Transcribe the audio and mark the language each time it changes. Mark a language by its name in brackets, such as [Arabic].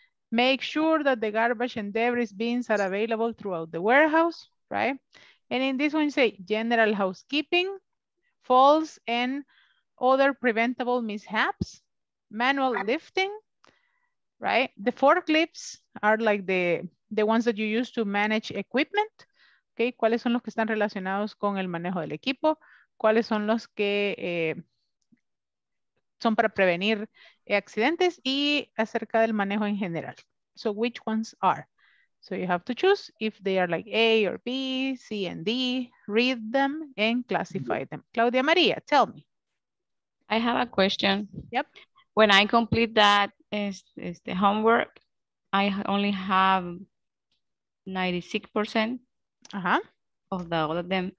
[English] Make sure that the garbage and debris bins are available throughout the warehouse, right? And in this one, say general housekeeping, falls and other preventable mishaps, manual lifting, right? The forklifts are like the ones that you use to manage equipment. [Spanish] Okay, ¿cuáles son los que están relacionados con el manejo del equipo? ¿Cuáles son los que son para prevenir accidentes? Y acerca del manejo en general. [English] So which ones are? So you have to choose if they are like A or B, C and D, read them and classify them. Claudia Maria, tell me. I have a question. Yep. When I complete that, is the homework, I only have 96% of the all of them.